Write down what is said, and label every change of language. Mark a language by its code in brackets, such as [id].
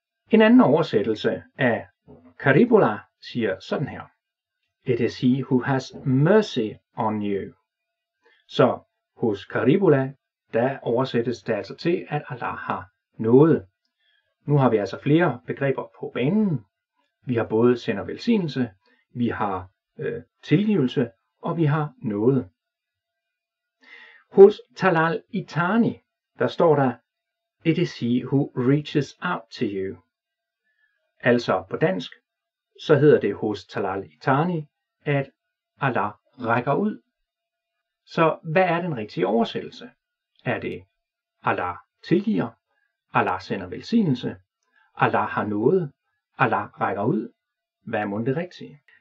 [da] En anden oversættelse af Karibula siger sådan her. [en] It is he who has mercy on you. [da] Så hos Karibula, der oversættes det altså til, at Allah har nåde. Nu har vi altså flere begreber på banen. Vi har både sender velsignelse, vi har tilgivelse, og vi har nåde. Hos Talal i Thani, der står der, [en] It is he who reaches out to you. [da] Altså på dansk, så hedder det hos Talal i Thani, at Allah rækker ud. Så hvad er den rigtige oversættelse? Er det Allah tilgiver, Allah sender velsignelse, Allah har nåde, Allah rækker ud? Hvad er mundt det rigtige?